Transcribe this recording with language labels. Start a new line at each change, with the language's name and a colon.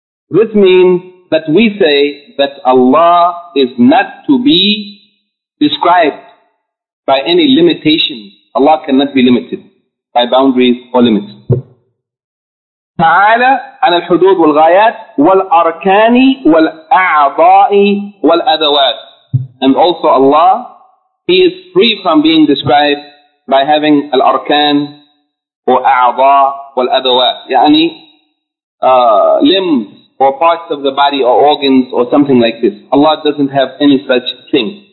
English: This means that we say that Allah is not to be described by any limitation. Allah cannot be limited by boundaries or limits.
Arabic: تعالى عن الحدود والغايات والأركان والأعضاء والأدوات.
English: And also Allah, He is free from being described by having
Arabic: الأركان والأعضاء والأدوات.
English: يعني limbs or parts of the body or organs or something like this. Allah doesn't have any such thing.